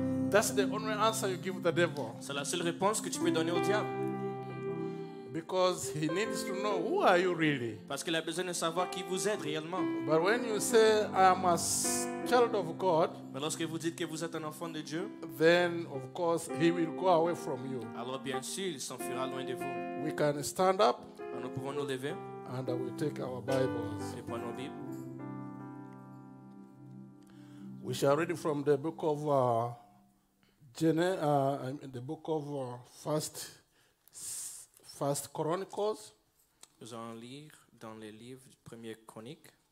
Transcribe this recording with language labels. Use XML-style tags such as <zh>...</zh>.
<en>That's the only answer you give the devil.</en> <fr>C'est la seule réponse que tu peux donner au diable.</fr> <en>Because he needs to know who are you really.</en> <fr>Parce qu'il a besoin de savoir qui vous êtes réellement.</fr> <en>But when you say I am a child of God,</en> <fr>mais lorsque vous dites que vous êtes un enfant de Dieu,</fr> <en>then of course he will go away from you.</en> <fr>Alors bien sûr, il s'enfuira loin de vous.</fr> <en>We can stand up.</en> <fr>Et nous pouvons nous lever.</fr> <en>And we take our Bibles.</en> <fr>Et prenons nos Bibles.</fr> <en>We shall read from the book of the book of First Chronicles.</en> <fr>Nous allons lire dans les livres du premier chronique.</fr>